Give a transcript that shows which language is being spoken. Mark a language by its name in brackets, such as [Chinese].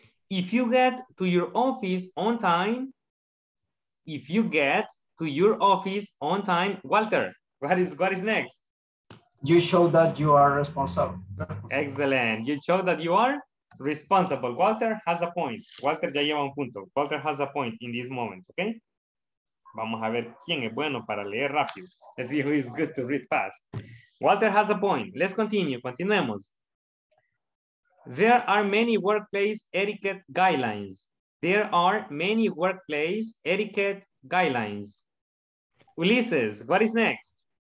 [English] If you get to your office on time, if you get to your office on time, Walter, what is next? You show that you are responsible. Excellent. You show that you are responsible. Walter has a point. [Spanish] Walter ya lleva un punto. [English] Walter has a point in this moment, okay? [Spanish] Vamos a ver quién es bueno para leer rápido. [English] Let's see who is good to read fast. Walter has a point. Let's continue. Continuemos. There are many workplace etiquette guidelines. There are many workplace etiquette guidelines. Ulises, what is next?